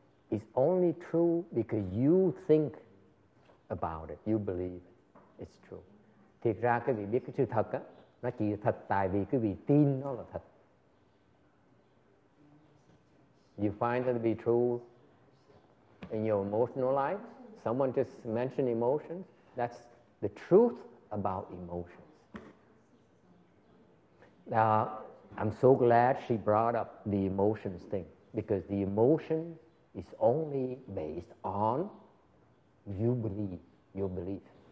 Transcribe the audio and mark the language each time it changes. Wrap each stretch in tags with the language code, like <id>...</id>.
<en>It's only true because you think about it. You believe it's true.</en> <vi>Thiệt ra cái vị biết cái sự thật á, nó chỉ thật tại vì quý vị tin nó là thật.</vi> <en>You find that to be true in your emotional life? Someone just mentioned emotions. That's the truth about emotions. Now, I'm so glad she brought up the emotions thing because the emotion is only based on you believe, your belief.</en>